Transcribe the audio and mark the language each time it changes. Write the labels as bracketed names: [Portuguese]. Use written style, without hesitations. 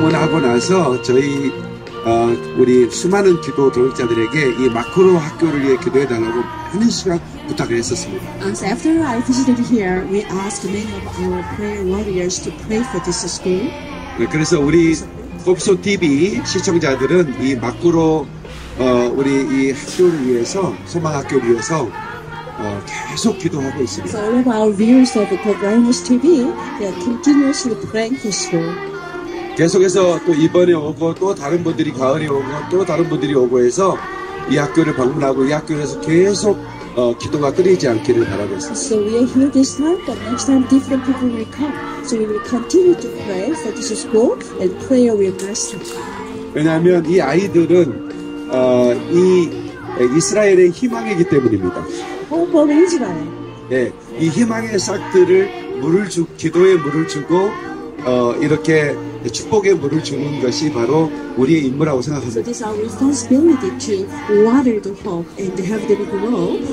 [Korean] 모여서 저희 우리 수많은 기도 동역자들에게 이 마크로 학교를 위해 기도해 달라고 많은 시간 부탁을 했었습니다. [English] And after I visited here, we asked many of our prayer warriors to pray for this school. [Korean] 그래서 우리 꼽소 TV 시청자들은 이 마크로 우리 이 학교를 위해서 소망학교를 위해서 계속 기도하고 있습니다. [English] So all of our viewers of Cobranos TV, they are continuously praying for school. [Korean] 계속해서 또 이번에 오고 또 다른 분들이 가을에 오고 또 다른 분들이 오고 해서 이 학교를 방문하고 이 학교에서 계속 기도가 끊이지 않기를 바라고 있습니다. [English] So we are here this time, but next time different people will come. So we will continue to pray for this school and prayer will bless them. [Korean] 왜냐하면 이 아이들은 이 이스라엘의 희망이기 때문입니다. [English] Hope of Israel. [Korean] 네, 이 희망의 싹들을 물을 주 기도에 물을 주고 이렇게 축복의 물을 주는 것이 바로 우리의 임무라고 생각합니다. [English] So this is our responsibility to water the hope and have them grow.